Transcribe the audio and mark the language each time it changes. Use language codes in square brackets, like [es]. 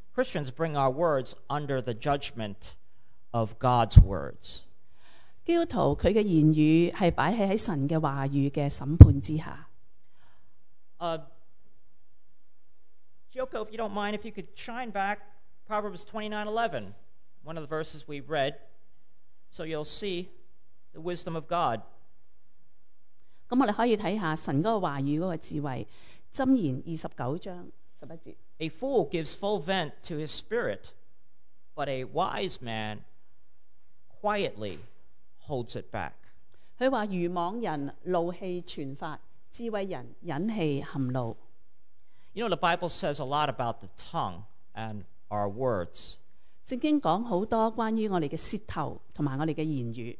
[en] Christians bring our words under the judgment of God's words. [yue] 基督徒佢嘅言语系摆喺神嘅话语嘅审判之下。 [en] Joko, if you don't mind, if you could shine back Proverbs 29:11, one of the verses we read, so you'll see the wisdom of God. [yue] 咁我哋可以睇下神嗰个话语嗰个智慧，箴言29:11. [en] A fool gives full vent to his spirit, but a wise man quietly holds it back. [yue] 佢话愚妄人怒气全发。 [en] You know, the Bible says a lot about the tongue and our words. [yue] 聖經講好多關於我哋嘅舌頭同埋我哋嘅言語。